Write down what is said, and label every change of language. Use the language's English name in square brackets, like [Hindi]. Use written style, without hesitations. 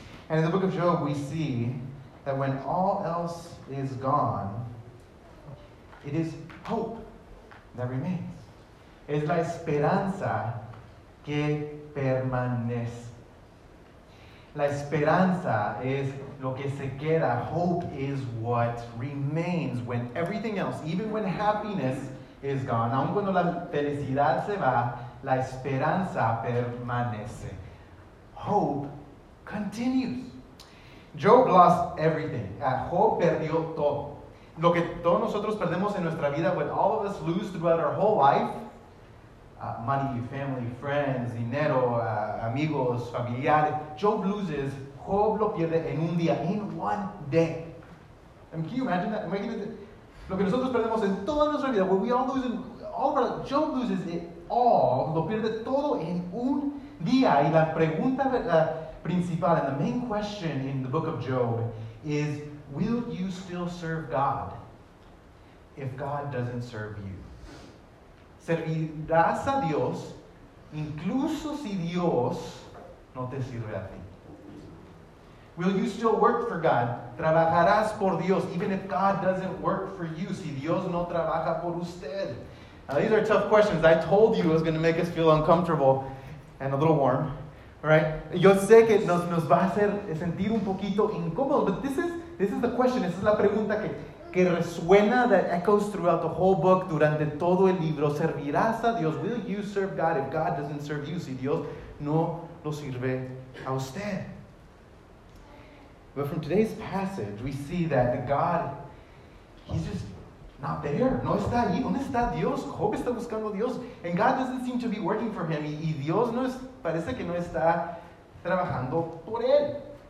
[English] And in the book of Job, we see that when all else is gone, it is hope that remains. [Spanish] Es la esperanza que permanece. La esperanza es lo que se queda. [English] Hope is what remains when everything else, even when happiness is gone. [Spanish] Aun cuando la felicidad se va, la esperanza permanece. [English] Hope continues. Job lost everything. [Spanish] Job perdió todo. Lo que todos nosotros perdemos en nuestra vida, [English] what all of us lose throughout our whole life, money, family, friends, [Spanish] dinero, amigos, familiares. [English] Job loses, [Spanish] Job lo pierde en un día, [English] in one day. I mean, can you imagine that? [Spanish] Lo que nosotros perdemos en toda nuestra vida, [English] what we all lose, Job loses it all, [Spanish] lo pierde todo en un día. Y la pregunta principal, [English] and the main question in the book of Job is, will you still serve God if God doesn't serve you? [Spanish] ¿Servirás a Dios incluso si Dios no te sirve a ti? [English] Will you still work for God? [Spanish] ¿Trabajarás por Dios [English] even if God doesn't work for you? [Spanish] Si Dios no trabaja por usted. [English] Now, these are tough questions. I told you it was going to make us feel uncomfortable and a little warm, right? [Spanish] Yo sé que nos va a hacer sentir un poquito incómodo, [English] but this is the question. [Spanish] Esa es la pregunta que resuena, [English] that echoes throughout the whole book, [Spanish] durante todo el libro. ¿Servirás a Dios? [English] Will you serve God if God doesn't serve you? [Spanish] Si Dios no lo sirve a usted. [English] But from today's passage, we see that God, he's just not there. [Spanish] No está ahí. ¿Dónde está Dios? Job está buscando a Dios. [English] And God doesn't seem to be working for him. [Spanish] Y Dios no es, parece que no está trabajando por él.